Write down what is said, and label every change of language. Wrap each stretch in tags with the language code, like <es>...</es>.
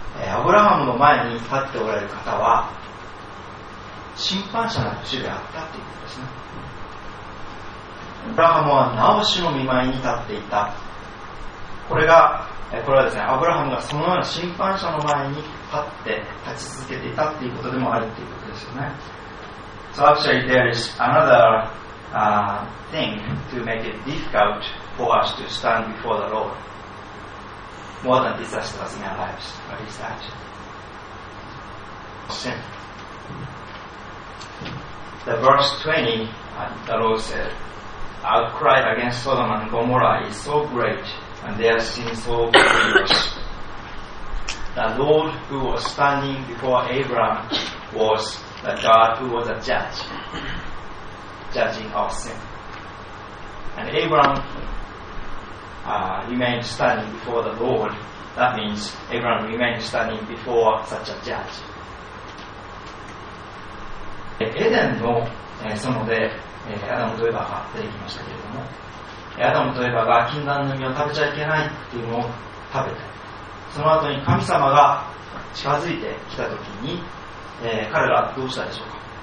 <ja>アブラハムの前に立っておられる方は、審判者の主であったということですね。アブラハムはなお主の御前に立っていた。これはですね、アブラハムがそのような審判者の前に立って立ち続けていたということでもあるということですよね。</ja> <en>So actually there is another thing to make it difficult for us to stand before the Lord. More than disasters in our lives. What is that? Sin. The verse 20, the Lord said, outcry against Sodom and Gomorrah is so great, and their sin so grievous. The Lord who was standing before Abraham was the God who was a judge, judging our sin. And Abraham remained standing before the Lord. That means Abraham remained standing before such a judge.</en> <ja>Eden の園で、アダムとエバが出てきましたけれども、アダムとエバが禁断の実を食べちゃいけないっていうのを食べて、その後に神様が近づいてきた時に、彼らどうしたでしょうか。</ja>